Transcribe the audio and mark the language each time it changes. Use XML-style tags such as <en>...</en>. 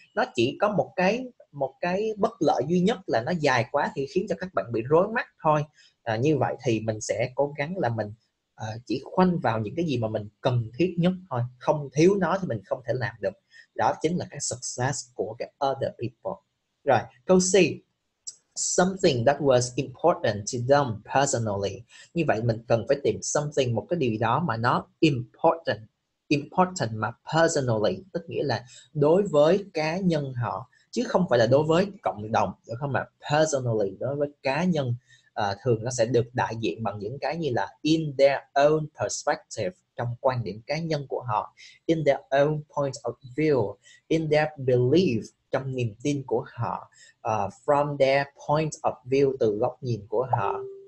<vi>Nó chỉ có một cái bất lợi duy nhất là nó dài quá thì khiến cho các bạn bị rối mắt thôi. Như vậy thì mình sẽ cố gắng là mình chỉ khoanh vào những cái gì mà mình cần thiết nhất thôi. Không thiếu nó thì mình không thể làm được. Đó chính là cái success của cái</vi> <en>other people.</en> <vi>Rồi, câu C,</vi> <en>something that was important to them personally.</en> <vi>Như vậy mình cần phải tìm something, một cái điều gì đó mà nó important. Important mà personally, tức nghĩa là đối với cá nhân họ, chứ không phải là đối với cộng đồng, được không ạ? Personally, đối với cá nhân, thường nó sẽ được đại diện bằng những cái như là</vi> <en>in their own perspective,</en> <vi>trong quan điểm cá nhân của họ,</vi> <en>in their own point of view, in their belief,</en> <vi>trong niềm tin của họ,</vi> <en>from their point of view,</en> <vi>từ góc nhìn của họ.</vi>